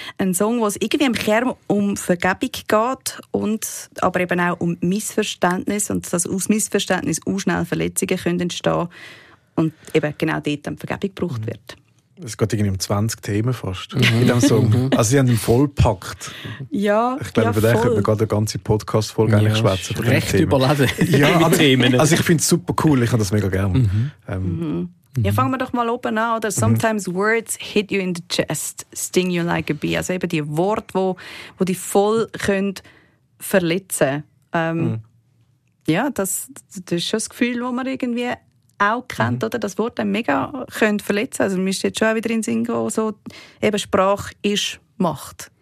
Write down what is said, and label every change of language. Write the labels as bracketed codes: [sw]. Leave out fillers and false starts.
[de] Ein Song, der irgendwie im Kern um Vergebung geht, und aber eben auch um Missverständnis, und dass aus Missverständnis auch schnell Verletzungen können entstehen und eben genau dort dann Vergebung gebraucht wird. Es geht irgendwie um 20 Themen fast in diesem Song. Also sie haben ihn vollpackt. Ja, ich glaube, über den könnte man gerade eine ganze Podcast-Folge eigentlich schwätzen. Recht überladen. Ja, also ich finde es super cool, ich habe das mega gerne. Ja, fangen wir doch mal oben an. Oder? [en] Sometimes words hit you in the chest, sting you like a bee. [de] Also eben die Worte, wo die voll könnt verletzen. Ja, das ist schon das Gefühl, das man irgendwie auch kennt, oder? Das Wort dann mega könnte verletzen. Also, man ist jetzt schon auch wieder in den Sinn gehen, so eben Sprache ist Macht.